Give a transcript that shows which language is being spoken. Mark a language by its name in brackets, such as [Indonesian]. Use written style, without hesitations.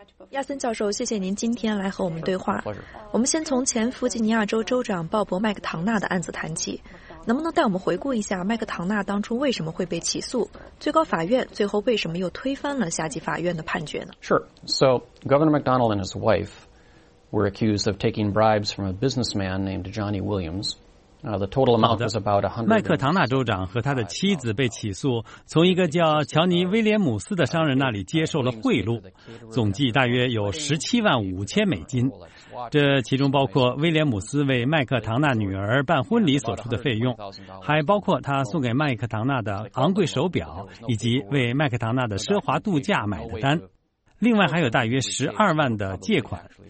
[Chinese] 亚森教授，谢谢您今天来和我们对话。我们先从前弗吉尼亚州州长鲍勃·麦克唐纳的案子谈起，能不能带我们回顾一下麦克唐纳当初为什么会被起诉？最高法院最后为什么又推翻了下级法院的判决呢？ [English] Sure. So, Governor McDonald and his wife were accused of taking bribes from a businessman named Johnny Williams. The total amount was about 100. [Chinese] 麦克唐纳州长和他的妻子被起诉，从一个叫乔尼·威廉姆斯的商人那里接受了贿赂，总计大约有17万5000美金。这其中包括威廉姆斯为麦克唐纳女儿办婚礼所出的费用，还包括他送给麦克唐纳的昂贵手表以及为麦克唐纳的奢华度假买的单，另外还有大约12万的借款。